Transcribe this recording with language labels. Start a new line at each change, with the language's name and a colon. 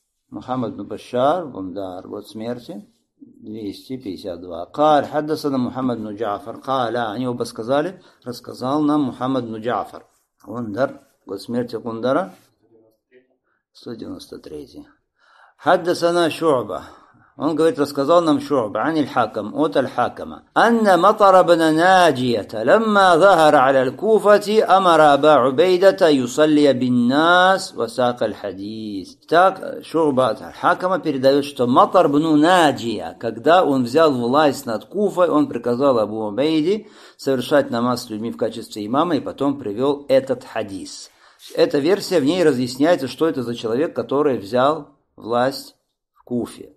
Russian: Мухаммад ибн Башар, Бундар, вот смерти. 252.
Arabic: قال حدثنا محمد بن جعفر قال
Russian: они оба сказали рассказал нам Мухаммад ибн Джафар. Гундар, год смерти Гундара 193.
Arabic: حدثنا شعبة.
Russian: Он говорит, рассказал нам
Arabic: شعبة عن الحاكم от الحاكم أن مطر بن ناجية لما ظهر على الكوفة أمر أبا عبيدة يصلي بالناس وساق الحديث.
Russian: Так شعبة الحاكم передает, что مطر بن ناجية, когда он взял власть над Куфой, он приказал Абу Убейде совершать намаз с людьми в качестве имама и потом привел этот хадис. Эта версия, в ней разъясняется, что это за человек, который взял власть Куфе.